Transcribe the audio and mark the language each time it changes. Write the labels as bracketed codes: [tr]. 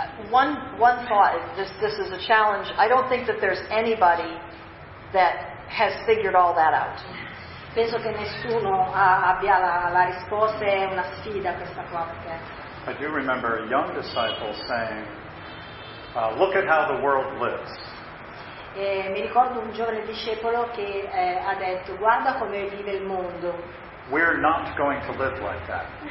[en] One thought is this is a challenge. I don't think that there's anybody that has figured all that out. [it] Penso che nessuno abbia la risposta, è una sfida questa qua. Perché [en] I do remember a young disciple saying, look at how the world lives. [it] E mi ricordo un giovane discepolo che ha detto, guarda come vive il mondo. [en] We're not going to live like that.